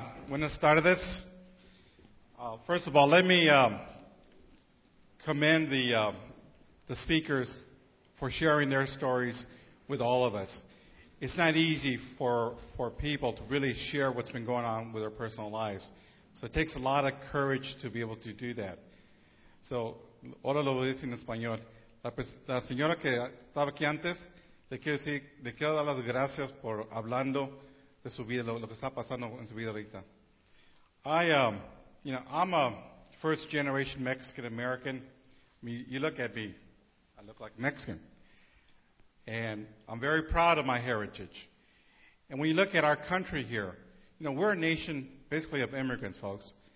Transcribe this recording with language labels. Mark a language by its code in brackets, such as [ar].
[en] When I started this, first of all, let me commend the speakers for sharing their stories with all of us. It's not easy for people to really share what's been going on with their personal lives. So it takes a lot of courage to be able to do that. [es] So, ahora lo voy a decir en español. La señora que estaba aquí antes, le quiero dar las gracias por hablando de su vida, lo que está pasando en su vida ahorita. [en] I'm a first-generation Mexican-American. I mean, you look at me, I look like Mexican. And I'm very proud of my heritage. And when you look at our country here, you know, we're a nation basically of immigrants, folks.